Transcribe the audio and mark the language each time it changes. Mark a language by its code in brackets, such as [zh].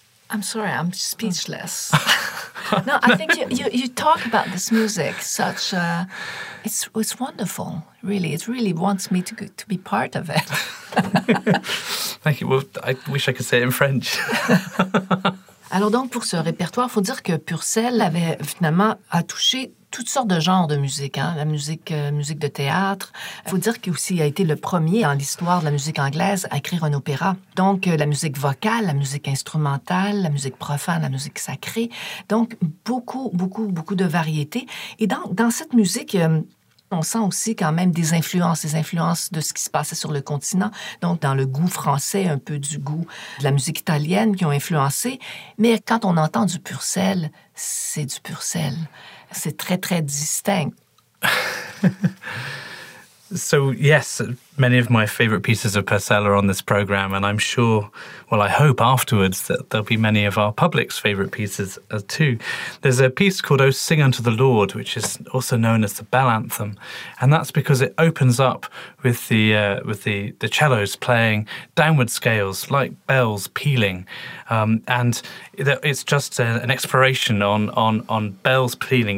[en] I'm sorry, I'm speechless. No, I think you talk about this music such it's wonderful, really. It really wants me to be part of it. Thank you. Well, I wish I could say it in French. [fr] Alors donc, pour ce répertoire, il faut dire que Purcell avait finalement a touché toutes sortes de genres de musique, hein, la musique de théâtre. Il faut dire qu'il aussi a été le premier en l'histoire de la musique anglaise à écrire un opéra. Donc, la musique vocale, la musique instrumentale, la musique profane, la musique sacrée. Donc, beaucoup, beaucoup, beaucoup de variétés. Et dans cette musique, on sent aussi quand même des influences de ce qui se passait sur le continent. Donc, dans le goût français, un peu du goût de la musique italienne qui ont influencé. Mais quand on entend du Purcell, c'est du Purcell. C'est très, très distinct. [en] So, yes, many of my favourite pieces of Purcell are on this programme, and I'm sure, well, I hope afterwards that there'll be many of our public's favourite pieces too. There's a piece called O Sing Unto the Lord, which is also known as the Bell Anthem, and that's because it opens up with the cellos playing downward scales, like bells pealing, and it's just an exploration on bells pealing.